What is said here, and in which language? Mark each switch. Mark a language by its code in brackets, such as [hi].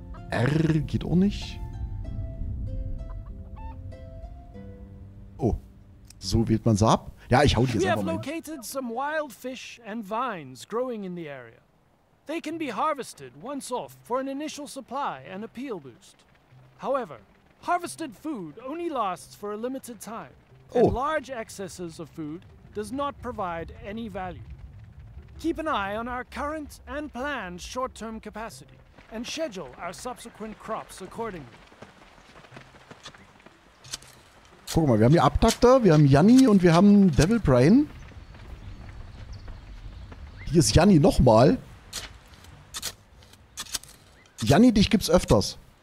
[de] R geht auch nicht. Oh, so wählt man sie ab. Ja, ich hau die jetzt einfach mal. Wir haben einige wilde Fische und Weine, die in der Area wachsen. Sie können einmal harvestet, für einen initialen Supply und Appeal-Boost. [en] However, harvested food only lasts for a limited time, and large excesses of food does not provide any value. Keep an eye on our current and planned short-term capacity, and schedule our subsequent crops accordingly. [de] Guck mal, wir haben hier Abduktor, wir haben Janni und wir haben Devil Brain. Hier ist Janni nochmal. Janni, dich gibt's öfters.